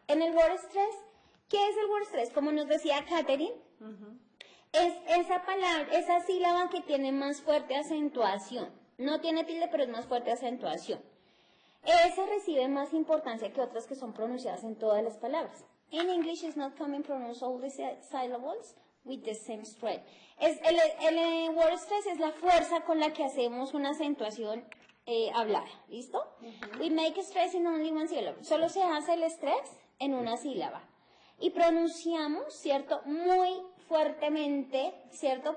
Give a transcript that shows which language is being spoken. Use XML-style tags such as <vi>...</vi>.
<es>En el word stress, ¿qué es el word stress? Como nos decía Katherine, es esa palabra, esa sílaba que tiene más fuerte acentuación. No tiene tilde, pero es más fuerte acentuación. Esa recibe más importancia que otras que son pronunciadas en todas las palabras.</es> <en>In English, it's not common to pronounce all the syllables with the same strength.</en> <es>El word stress es la fuerza con la que hacemos una acentuación hablada, ¿listo?</es> <en>We make stress in only one syllable.</en> <es>Solo se hace el stress en una sílaba. Y pronunciamos, ¿cierto? Muy fuertemente, ¿cierto?</es>